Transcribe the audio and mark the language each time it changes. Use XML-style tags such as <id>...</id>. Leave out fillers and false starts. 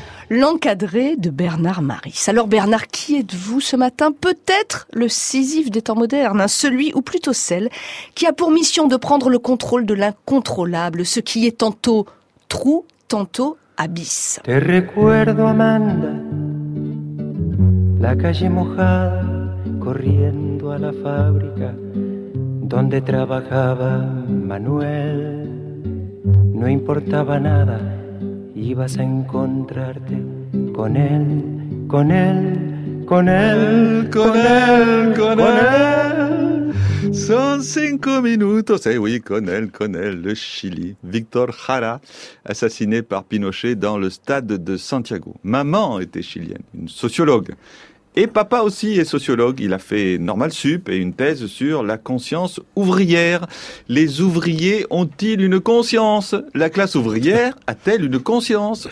<fr>L'encadré de Bernard Maris. Alors Bernard, qui êtes-vous ce matin? Peut-être le Sisyphe des temps modernes, hein, celui ou plutôt celle qui a pour mission de prendre le contrôle de l'incontrôlable, ce qui est tantôt trou, tantôt abysse.</fr> <es>Te recuerdo, Amanda, la calle mojada, corriendo a la fábrica donde trabajaba Manuel. No importaba nada, ibas a encontrarte con él, con él, con él, con él, con él, con él. Son cinco minutos,</es> <fr>eh oui,</fr> <es>con él,</es> <fr>le Chili. Victor Jara, assassiné par Pinochet dans le stade de Santiago. Maman était chilienne, une sociologue. Et papa aussi est sociologue, il a fait Normal Sup et une thèse sur la conscience ouvrière. Les ouvriers ont-ils une conscience? La classe ouvrière a-t-elle une conscience?</fr>